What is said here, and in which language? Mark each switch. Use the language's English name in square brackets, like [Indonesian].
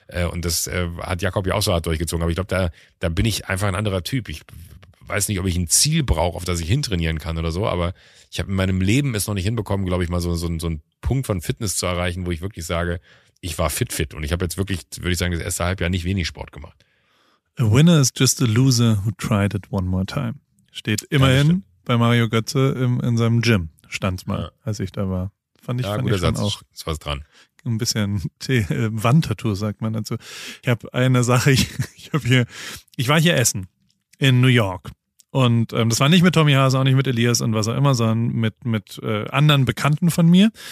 [German] Und das hat Jakob ja auch so hart durchgezogen. Aber ich glaube, da bin ich einfach ein anderer Typ. Ich weiß nicht, ob ich ein Ziel brauche, auf das ich hintrainieren kann oder so, aber ich habe in meinem Leben es noch nicht hinbekommen, glaube ich, mal so einen Punkt von Fitness zu erreichen, wo ich wirklich sage, ich war fit. Und ich habe jetzt wirklich, würde ich sagen, das erste Halbjahr nicht wenig Sport gemacht. [English] A winner is just a loser who tried it one more time. [German] Steht immerhin bei Mario Götze in seinem Gym. Stand mal, ja. Als ich da war. Fand ich schon auch. Ist was dran. Ein bisschen Wandtattoo, sagt man dazu. Ich habe eine Sache, ich war hier essen in New York. Und das war nicht mit Tommy Haase, auch nicht mit Elias und was auch immer, sondern mit anderen Bekannten von mir.